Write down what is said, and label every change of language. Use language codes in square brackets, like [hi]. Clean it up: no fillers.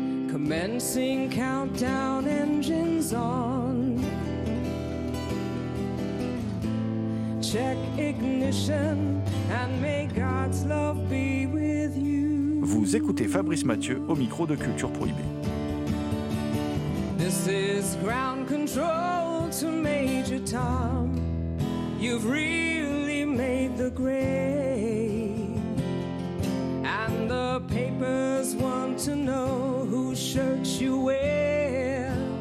[en] Commencing countdown, engines on. Check ignition and may God's love be with you. [fr] Vous écoutez Fabrice Mathieu au micro de Culture Prohibée. [en] This is ground control to Major Tom. You've really made the grade. And the papers want to know whose shirt you wear.